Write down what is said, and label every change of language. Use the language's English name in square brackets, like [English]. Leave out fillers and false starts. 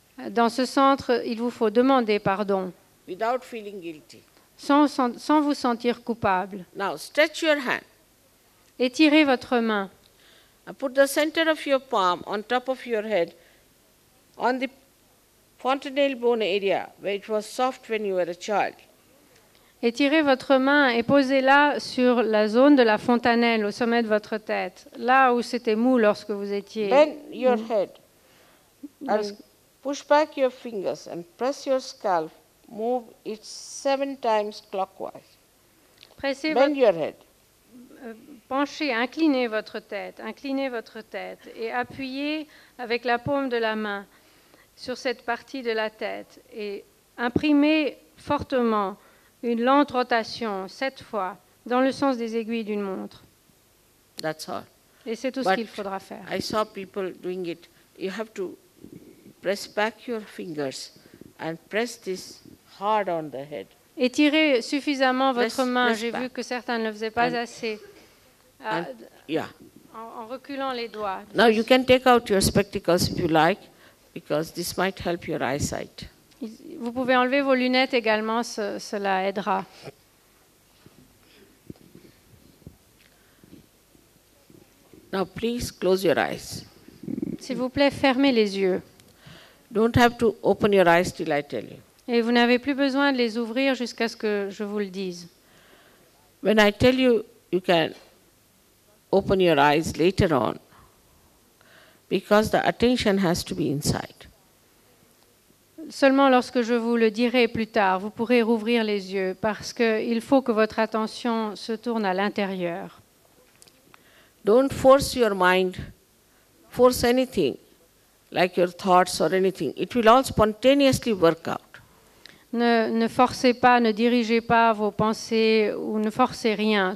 [French] Dans ce centre, il vous faut demander pardon. [English] Without feeling guilty. [French] Sans vous sentir coupable. [English] Now stretch your hand. [French] étirez votre main. [English] Put the center of your palm on top of your head, on the fontanel bone area where it was soft when you were a child. [French] Étirez votre main et posez-la sur la zone de la fontanelle au sommet de votre tête, là où c'était mou lorsque vous étiez. [English] Bend your head and push back your fingers and press your scalp. Move it 7 times clockwise. [French] Pressez [English] bend your head. [French] Penchez, inclinez votre tête et appuyez avec la paume de la main sur cette partie de la tête et imprimez fortement une lente rotation, 7 fois, dans le sens des aiguilles d'une montre. [English] That's all. [French] Et c'est tout [English] but [French] ce qu'il faudra faire. [English] I saw people doing it. You have to press back your fingers and press this hard on the head. [French] Étirez suffisamment votre main. J'ai vu que certains ne le faisaient pas assez. En reculant les doigts. [English] Now you can take out your spectacles if you like, because this might help your eyesight. [French] Vous pouvez enlever vos lunettes également, cela aidera. [English] Now please close your eyes. [French] S'il vous plaît, fermez les yeux. [English] Don't have to open your eyes till I tell you. [French] Et vous n'avez plus besoin de les ouvrir jusqu'à ce que je vous le dise. [English] When I tell you, you can open your eyes later on, because the attention has to be inside. [French] Seulement lorsque je vous le dirai plus tard, vous pourrez rouvrir les yeux parce qu'il faut que votre attention se tourne à l'intérieur. [English] Don't force your mind, force anything, like your thoughts or anything. It will all spontaneously work out. [French] Ne forcez pas, ne dirigez pas vos pensées ou ne forcez rien.